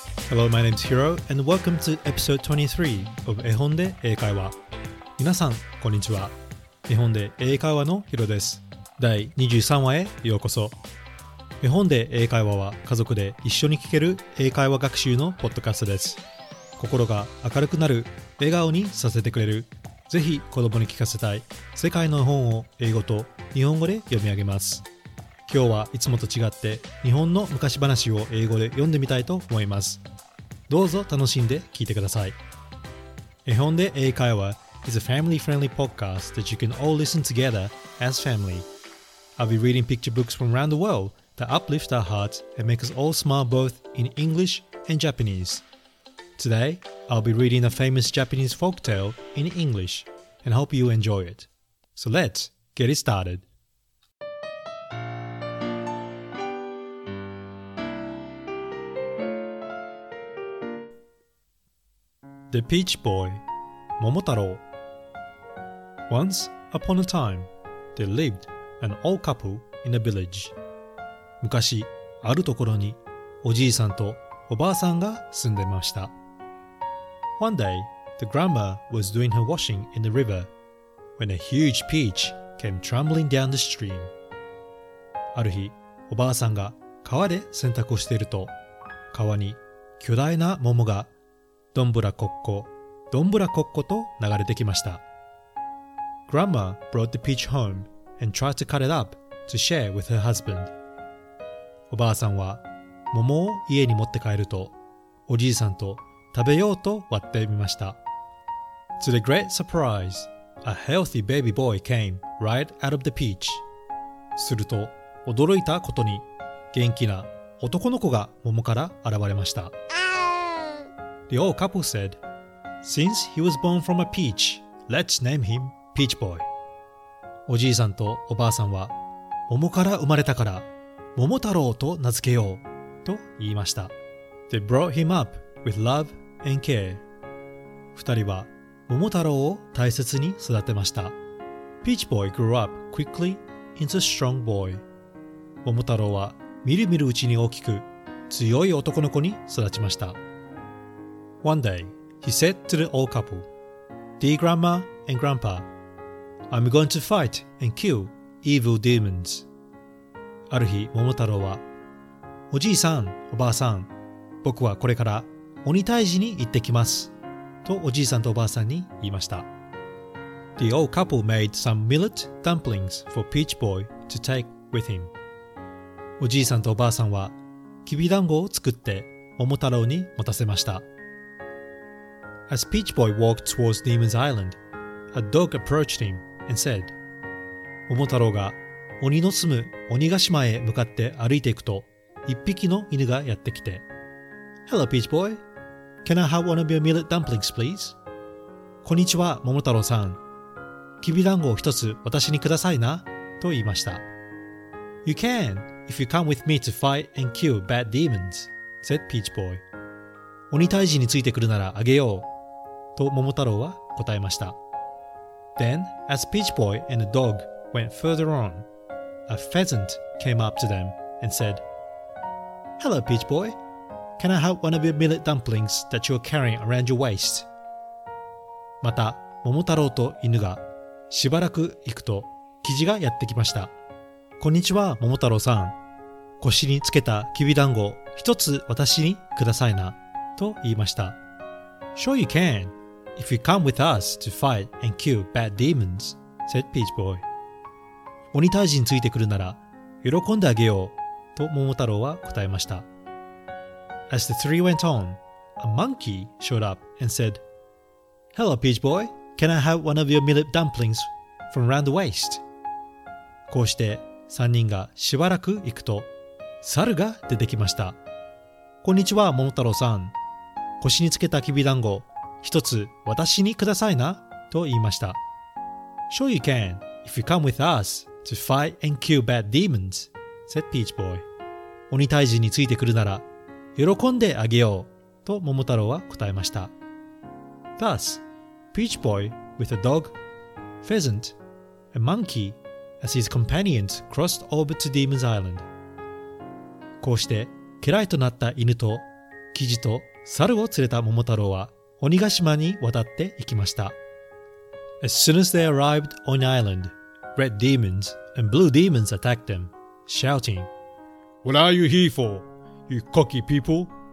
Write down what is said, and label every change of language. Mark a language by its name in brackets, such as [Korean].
[English] Hello, my name is Hiro and welcome to episode 23 of 絵本で英会話。 [Japanese] みなさんこんにちは。絵本で英会話のヒロです。第23話へようこそ。絵本で英会話は家族で一緒に聞ける英会話学習のポッドキャストです。心が明るくなる、笑顔にさせてくれる、ぜひ子供に聞かせたい世界の絵本を英語と日本語で読み上げます。今日はいつもと違って日本の昔話を英語で読んでみたいと思います。どうぞ楽しんで聞いてください。 [English] 絵本で英会話 is a family friendly podcast that you can all listen together as family. I'll be reading picture books from around the worldThat uplift our hearts and make us all smile both in English and Japanese. Today, I'll be reading a famous Japanese folktale in English and hope you enjoy it. So let's get it started. The Peach Boy, Momotaro. Once upon a time, there lived an old couple in a village. [Japanese] 昔、あるところに、おじいさんとおばあさんが住んでました。 [English] One day, the grandma was doing her washing in the river, when a huge peach came tumbling down the stream. [Japanese] ある日、おばあさんが川で洗濯をしていると、川に巨大な桃が、どんぶらこっこ、どんぶらこっこと流れてきました。 [English] Grandma brought the peach home and tried to cut it up to share with her husband. [Japanese] おばあさんは桃を家に持って帰るとおじいさんと食べようと割ってみました。 [English] To the great surprise, a healthy baby boy came right out of the peach. [Japanese] すると驚いたことに元気な男の子が桃から現れました。 [English] The old couple said, Since he was born from a peach, let's name him Peach Boy. [Japanese] おじいさんとおばあさんは桃から生まれたから桃太郎と名付けようと言いました。 [English] They brought him up with love and care. [Japanese] 二人は桃太郎を大切に育てました。 [English] Peach boy grew up quickly into a strong boy. [Japanese] 桃太郎はみるみるうちに大きく強い男の子に育ちました。 [English] One day, he said to the old couple, Dear grandma and grandpa, I'm going to fight and kill evil demons. [Japanese] ある日、桃太郎は、おじいさん、おばあさん、僕はこれから鬼退治に行ってきます。とおじいさんとおばあさんに言いました。 [English] The old couple made some millet dumplings for Peach Boy to take with him. [Japanese] おじいさんとおばあさんは、きびだんごを作って桃太郎に持たせました。 [English] As Peach Boy walked towards Demon's Island, a dog approached him and said, [Japanese] 桃太郎が、鬼の住む鬼ヶ島へ向かって歩いていくと、一匹の犬がやってきて、 [English] Hello, Peach Boy. Can I have one of your millet dumplings, please? [Japanese] こんにちは、桃太郎さん。きびだんごを一つ私にくださいな、と言いました。 [English] You can, if you come with me to fight and kill bad demons, said Peach Boy. [Japanese] 鬼退治についてくるならあげよう、と桃太郎は答えました。 [English] Then, as Peach Boy and the dog went further on,A pheasant came up to them and said, Hello, Peach Boy. Can I have one of your millet dumplings that you're carrying around your waist? [Japanese] また、桃太郎と犬がしばらく行くと、キジがやってきました。こんにちは、桃太郎さん。腰につけたきびだんご、一つ私にくださいな、と言いました。 [English] Sure you can, if you come with us to fight and kill bad demons, said Peach Boy. [Japanese] 鬼退治についてくるなら喜んであげようと桃太郎は答えました。 [English] As the three went on, a monkey showed up and said, Hello, Peach Boy. Can I have one of your millet dumplings from round the waist? [Japanese] こうして3人がしばらく行くと猿が出てきました。こんにちは、桃太郎さん。腰につけたきびだんご一つ私にくださいな、と言いました。 [English] Sure you can, if you come with usTo fight and kill bad demons, said Peach Boy. [Japanese] 鬼退治についてくるなら喜んであげようと桃太郎は答えました。 [English] Thus, Peach Boy with a dog, pheasant, a monkey as his companions crossed over to Demon's Island. [Japanese] こうして家来となった犬とキジと猿を連れた桃太郎は鬼ヶ島に渡っていきました。 [English] As soon as they arrived on the island, red demons and blue demons attacked them, shouting, What are you here for, you cocky people?